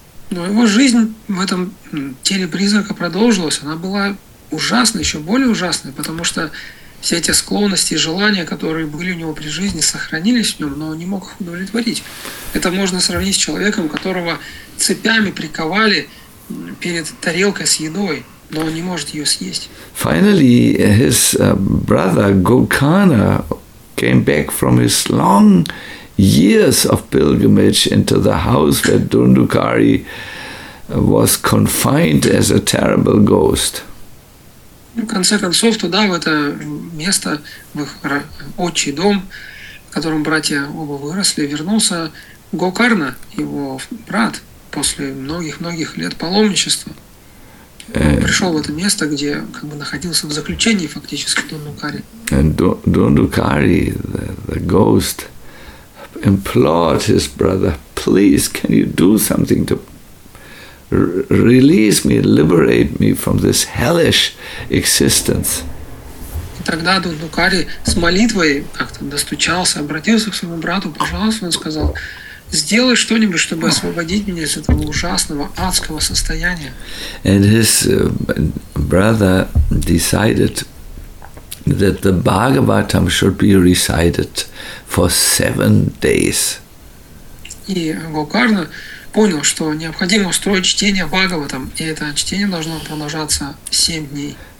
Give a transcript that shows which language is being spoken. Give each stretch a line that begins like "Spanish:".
Russian: Но его жизнь в этом теле призрака продолжилась. Она была ужасной, еще более ужасной, потому что все эти склонности и желания, которые были у него при жизни, сохранились в нем, но он не мог их удовлетворить. Это можно сравнить с человеком, которого цепями приковали перед тарелкой с едой, но он не может ее съесть.
English: Finally, his brother Gokana came back from his long years of pilgrimage into the house where Dundukari was confined as a terrible ghost.
Russian: В конце концов, туда, в это место, в их отчий дом, в котором братья оба выросли, вернулся Гокарна, его брат, после многих-многих лет паломничества. Пришел в это место, где как бы находился в заключении фактически Дундукари.
English: Дундукари, the ghost, implored his brother, please, can you do something to release me, liberate me from this hellish existence.
Russian: И тогда Дундукари с молитвой как-то достучался, обратился к своему брату, пожалуйста, он сказал, сделай что-нибудь, чтобы освободить меня из этого ужасного адского состояния.
English: And his brother decided that the Bhagavatam should be recited for 7 days.
Russian: И Гокарна понял, что необходимо устроить чтение Бхагаватам, и это чтение должно продолжаться 7 дней.